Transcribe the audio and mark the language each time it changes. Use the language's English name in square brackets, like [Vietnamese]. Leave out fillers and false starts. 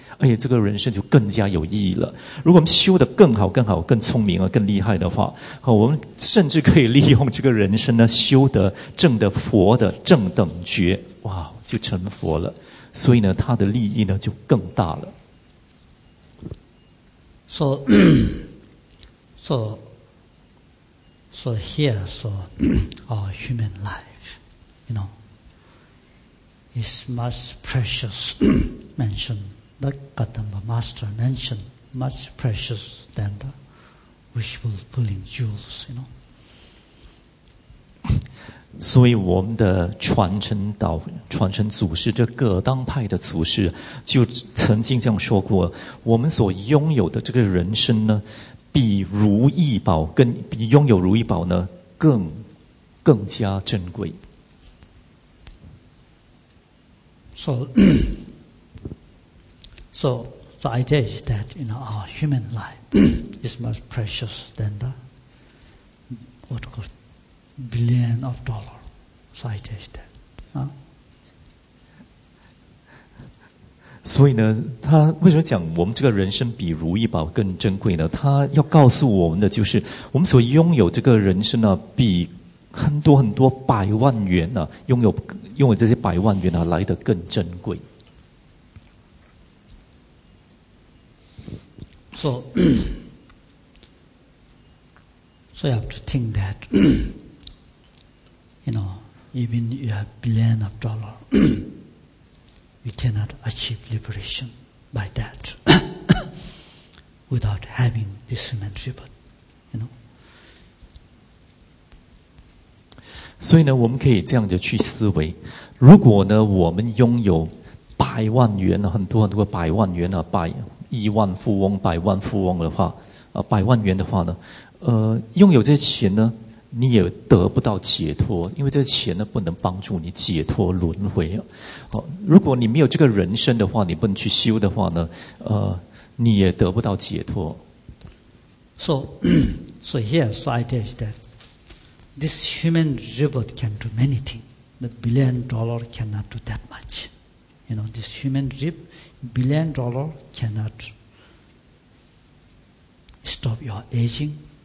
[Chinese] 哎，这个人生就更加有意义了。如果我们修得更好、更好、更聪明啊、更厉害的话，好，我们甚至可以利用这个人生呢，修得正的佛的正等觉，哇，就成佛了。所以呢，他的利益呢就更大了。 [English] So here, so our human life, you know, is much precious mentioned. The Gautama Master mentioned much precious than the wishful pulling jewels, you know. [Chinese] 所以我们的传承祖师，这葛当派的祖师就曾经这样说过，我们所拥有的这个人生呢，比拥有如意宝呢更加珍贵。 [English] So the idea is that you know, our human life is much precious than the what we call billion of dollars. So the idea is that. [Chinese] 所以呢，他为什么讲我们这个人生比如意宝更珍贵呢？他要告诉我们的就是，我们所拥有这个人生呢，比很多很多百万元呢，拥有这些百万元呢，来得更珍贵。 [English] So you have to think that, you know, even if you have billion of dollars, you cannot achieve liberation by that without having this human rebirth, you know. [Chinese] 所以呢，我们可以这样子去思维，如果呢，我们拥有百万元，很多很多百万元啊，亿万富翁、百万富翁的话，百万元的话呢，拥有这些钱呢，你也得不到解脱，因为这些钱呢不能帮助你解脱轮回啊。如果你没有这个人生的话，你不能去修的话呢，你也得不到解脱。 [English] So here's the idea is that this human rebirth can do many things. The billion dollar cannot do that much. You know, this human rebirthBillion dollar cannot stop your aging.